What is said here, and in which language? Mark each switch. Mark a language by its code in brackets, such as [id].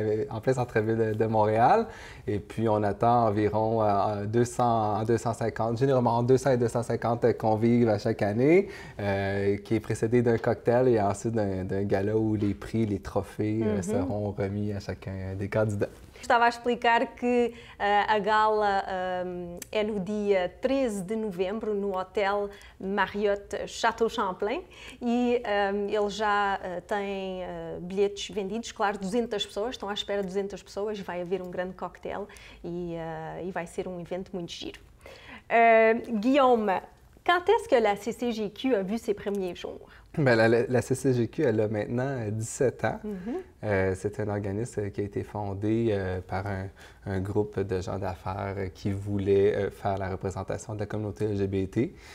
[fr] En plein centre-ville de Montréal. Et puis, on attend environ 250, généralement 200 et 250 convives à chaque année, qui est précédé d'un cocktail et ensuite d'un gala où les prix, les trophées mm-hmm. seront remis à chacun des candidats. [pt] Estava a explicar que a gala é no dia 13 de novembro no Hotel Marriott Château-Champlain e ele já tem bilhetes vendidos, claro, 200 pessoas, estão à espera de 200 pessoas, vai haver um grande cocktail e vai ser um evento muito giro. [fr] Guillaume, quand est-ce que la CCJQ a vu ses premiers jours? Bien, la CCJQ, elle a maintenant 17 ans. Mm-hmm. C'est un organisme qui a été fondé par un groupe de gens d'affaires qui voulaient faire la représentation de la communauté LGBT.